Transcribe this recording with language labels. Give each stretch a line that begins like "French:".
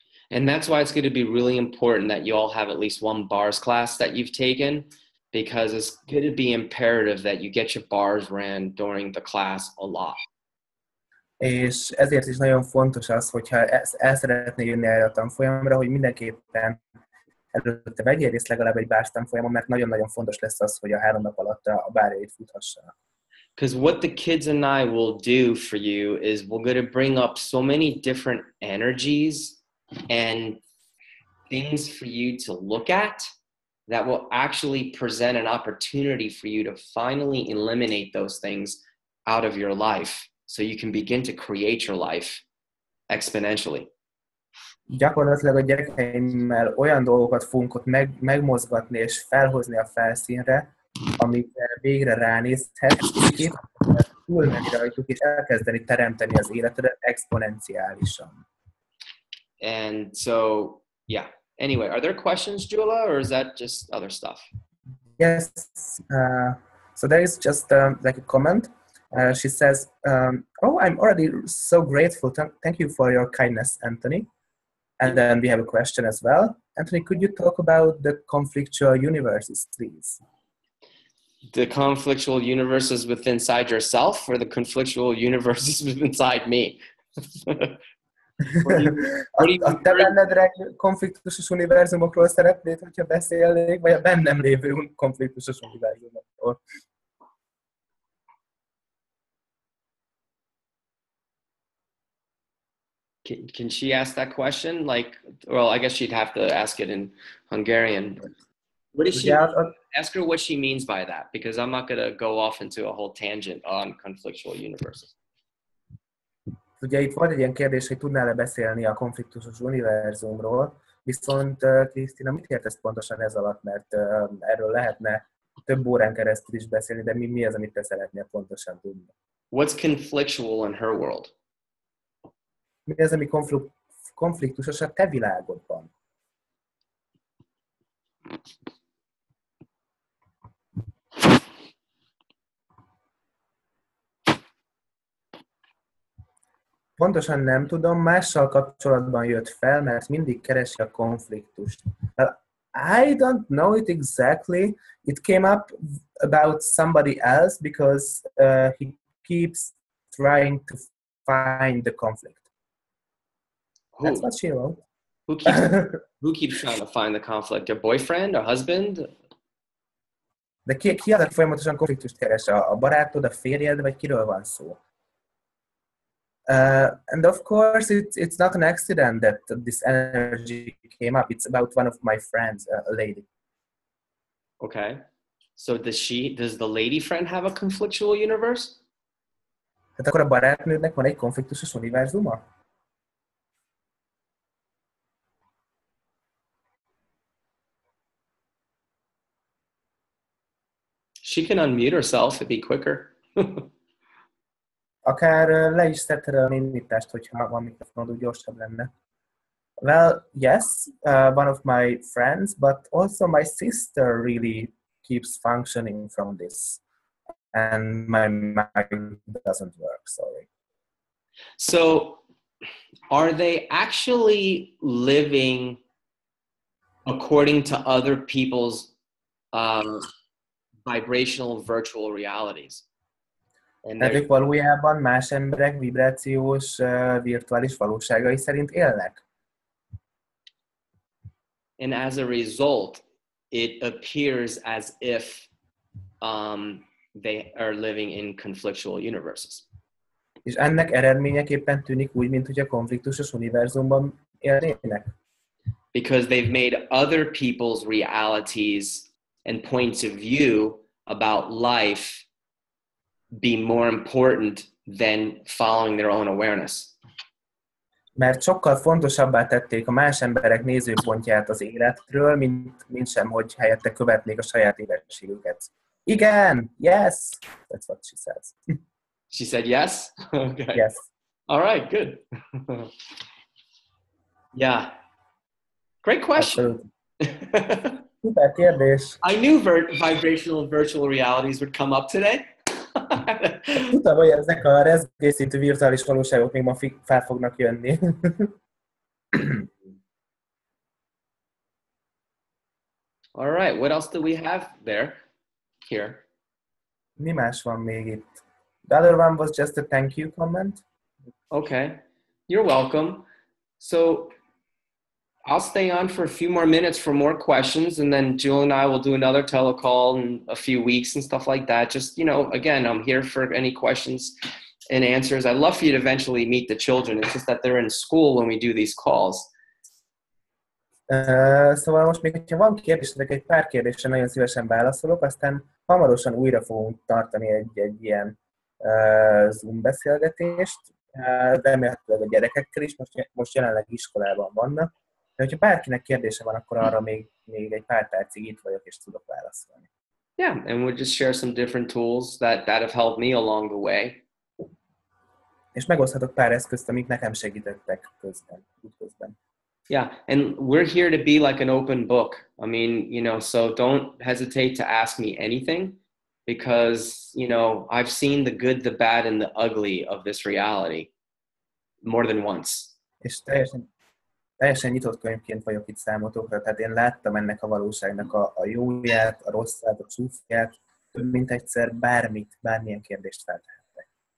English: And that's why it's going to be really important that you all have at least one bars class that you've taken, because it's going to be imperative that you get your bars ran during the class a lot.
Hungarian: És ezért is nagyon fontos az, hogyha el szeretné jönni erre a tanfolyamra, hogy mindenképpen előtte vegyél részt legalább egy bars tanfolyamon, mert nagyon-nagyon fontos lesz az, hogy a 3 nap alatt a bárjait futhassanak.
English: Because what the kids and I will do for you is we're going to bring up so many different energies and things for you to look at that will actually present an opportunity for you to finally eliminate those things out of your life so you can begin to create your life exponentially.
Hungarian: Gyakorlatilag a gyerekeimmel olyan dolgokat fogunk ott megmozgatni és felhozni a felszínre, amit végre ránézhetsz, túlmenni rajtuk és elkezdeni teremteni az életedet exponenciálisan.
English: And so, yeah. Anyway, are there questions, Gyula, or is that just other stuff? Yes. So there is just like a comment. She says, oh, I'm already so grateful. Thank you for your kindness, Anthony. And then we have a question as well. Anthony, could you talk about the conflictual universes, please? The conflictual universes within inside yourself or the conflictual universes within inside me?
Hungarian: A te bennedre konfliktusos univerzumokról szeretnéd, hogyha beszélnék, vagy a bennem lévő konfliktusos univerzumokról?
English: Can she ask that question? Like, well, I guess she'd have to ask it in Hungarian. What is she? Ask her what she means by that, because I'm not going to go off into a whole tangent on conflictual universes.
Hungarian: Ugye itt volt egy ilyen kérdés, hogy tudnál-e beszélni a konfliktusos univerzumról, viszont Krisztina, mit értesz pontosan ez alatt, mert erről lehetne több órán keresztül is beszélni, de mi az, amit te szeretnél pontosan tudni?
English: What's conflictual in her world?
Hungarian: Mi az, ami konfliktusos a te világodban? Pontosan nem tudom, mással kapcsolatban jött fel, mert mindig keresi a konfliktust.
English: Well, I don't know it exactly. It came up about somebody else because he keeps trying to find the conflict. Who? That's what she wrote. Who keeps trying to find the conflict? Your boyfriend or husband?
Hungarian: De ki az, aki folyamatosan konfliktust keres? A barátod, a férjed, vagy kiről van szó?
English: And of course, it's not an accident that this energy came up. It's about one of my friends, a lady. Okay. So does the lady friend have a conflictual universe?
Hungarian: Hát akkor a barátnődnek van egy konfliktusos univerzuma?
English: She can unmute herself, it'd be quicker.
Hungarian: Akár le is tetted a mindítást, hogyha van mikrofonod, úgy gyorsabb lenne.
English: Well, yes, one of my friends, but also my sister really keeps functioning from this. And my mind doesn't work, sorry. So, are they actually living according to other people's vibrational virtual realities?
Hungarian: Tehát ők valójában más emberek vibrációs, virtuális valóságai szerint élnek.
English: And as a result, it appears as if they are living in conflictual universes.
Hungarian: És ennek eredményeképpen tűnik úgy, mint hogy a konfliktusos univerzumban élnének.
English: Because they've made other people's realities and points of view about life be more important than following their own awareness.
Hungarian: Mert sokkal fontosabbá tették a más emberek nézőpontját az életről, mint sem, hogy helyette követnék a saját érdekségüket. Igen!
English: Yes! That's what she says. She said yes? Okay. Yes. All right, good. Yeah. Great question.
Hungarian: Super kérdés.
English: I knew vibrational virtual realities would come up today.
Hungarian: Tudtam, hogy ezek a rezgésszintű virtuális valóságok még ma fel fognak jönni.
English: All right, what else do we have there? Here.
Hungarian: Mi más van még itt?
English: The other one was just a thank you comment. Okay, you're welcome. So I'll stay on for a few more minutes for more questions, and then Jewel and I will do another telecall in a few weeks and stuff like that. Just, you know, again, I'm here for any questions and answers. I'd love for you to eventually meet the children. It's just that they're in school when we do these calls.
Hungarian: Szóval most még, hogyha van kérdésetek, egy pár kérdésre nagyon szívesen válaszolok, aztán hamarosan újra fogunk tartani egy ilyen Zoom beszélgetést. Remélhetőleg a gyerekekkel is, most jelenleg iskolában vannak. De hogyha bárkinek kérdése van, akkor arra még egy pár percig itt vagyok, és tudok válaszolni.
English: Yeah, and we'll just share some different tools that have helped me along the way.
Hungarian: És megoszthatok pár eszközt, amik nekem segítettek közben.
English: Yeah, and we're here to be like an open book. I mean, you know, so don't hesitate to ask me anything, because, you know, I've seen the good, the bad, and the ugly of this reality more than once.
Hungarian: És teljesen nyitott könyvként vagyok itt számotokra, tehát én láttam ennek a valóságnak a jóját, a rosszát, a csúfját, több mint egyszer bármilyen kérdést feltehettek.